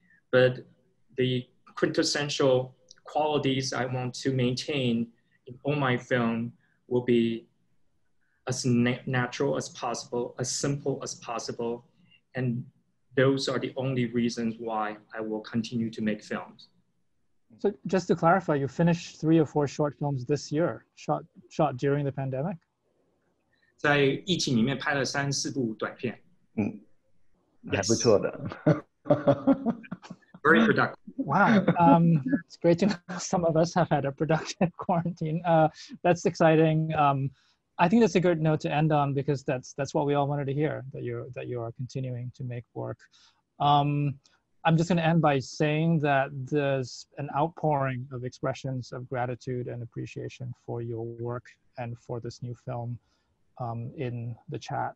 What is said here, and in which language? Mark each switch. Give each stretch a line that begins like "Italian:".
English: But the quintessential qualities I want to maintain in all my film will be as natural as possible, as simple as possible. And those are the only reasons why I will continue to make films. So just to clarify, you finished 3 or 4 short films this year, shot during the pandemic?
Chinese: 在疫情里面拍了3、4部短片。还不错的。
English: Very productive. Wow, it's great to know some of us have had a productive quarantine. That's exciting. I think that's a good note to end on because that's what we all wanted to hear, that you are continuing to make work. I'm just going to end by saying that there's an outpouring of expressions of gratitude and appreciation for your work and for this new film in the chat.